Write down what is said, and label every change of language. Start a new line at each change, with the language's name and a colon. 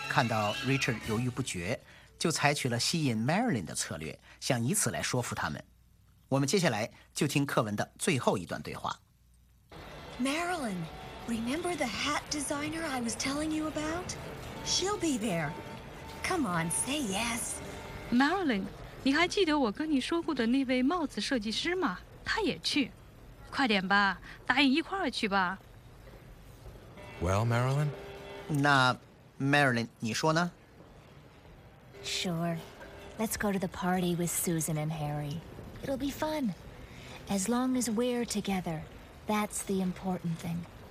Chinese: 看到 Richard 犹豫不决， 就采取了吸引 Marilyn 的策略， 想以此来说服他们。我们接下来就听课文的最后一段对话。
English: Marilyn, remember the hat designer I was telling you about? She'll be there. Come on, say yes.
Chinese: Marilyn, 你还记得我跟你说过的那位帽子设计师吗？他也去。快点吧，答应一块儿去吧。Well,
English: Marilyn?
Chinese: 那 Marilyn, 你说呢？
English: Sure. Let's go to the party with Susan and Harry. It'll be fun. As long as we're together, that's the important thing.